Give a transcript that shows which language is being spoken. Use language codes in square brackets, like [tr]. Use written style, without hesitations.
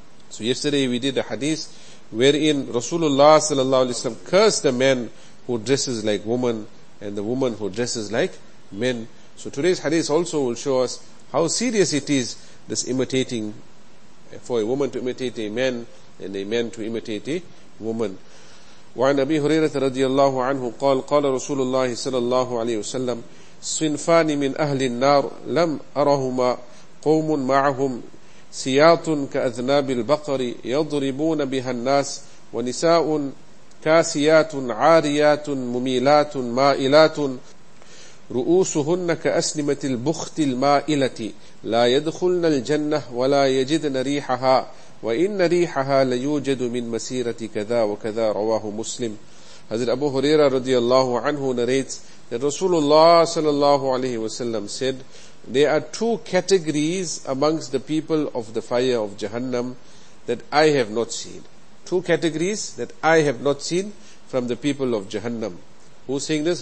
[en] So yesterday we did a hadith wherein Rasulullah sallallahu alayhi wa sallam cursed the man who dresses like woman and the woman who dresses like men. So today's hadith also will show us how serious it is, this imitating, for a woman to imitate a man and a man to imitate a woman. [ar] وعن أبي هريرة رضي الله عنه قال قال رسول الله صلى الله عليه وسلم صنفان من أهل النار لم أرهما قوم معهم سياط كأذناب البقر يضربون بها الناس ونساء كاسيات عاريات مميلات مائلات رؤوسهن كأسنمة البخت المائلة لا يدخلن الجنة ولا يجدن ريحها وإن ريحها ليوجد من مسيرة كذا وكذا رواه مسلم. [en] حضرت أبو هريرة رضي الله عنه narrates that Rasulullah صلى الله عليه وسلم said, there are two categories amongst the people of the fire of Jahannam that I have not seen. Two categories that I have not seen from the people of Jahannam. Who's saying this?